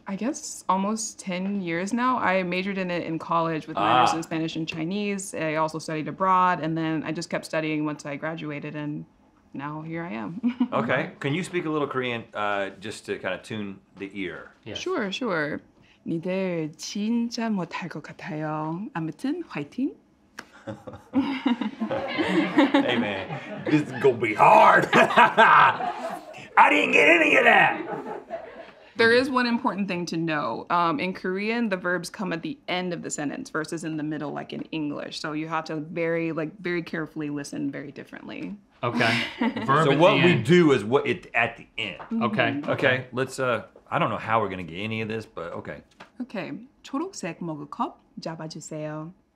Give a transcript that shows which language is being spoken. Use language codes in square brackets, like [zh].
[en] I guess almost 10 years now. I majored in it in college with minors in Spanish and Chinese. I also studied abroad and then I just kept studying once I graduated and now here I am. Okay. Can you speak a little Korean just to kind of tune the ear? Yes. Sure, sure. [ko] 니들 진짜 못할 것 같아요. 아무튼 화이팅. [en] Hey man, this is gonna be hard. I didn't get any of that. There is one important thing to know. In Korean, the verbs come at the end of the sentence versus in the middle, like in English. So you have to very carefully listen very differently. Okay. Verb so at what the we end. Do is what it at the end. Mm-hmm. Okay. Okay. Let's. I don't know how we're gonna get any of this, but okay. Okay. [ko] 초록색 먹을 컵 잡아주세요.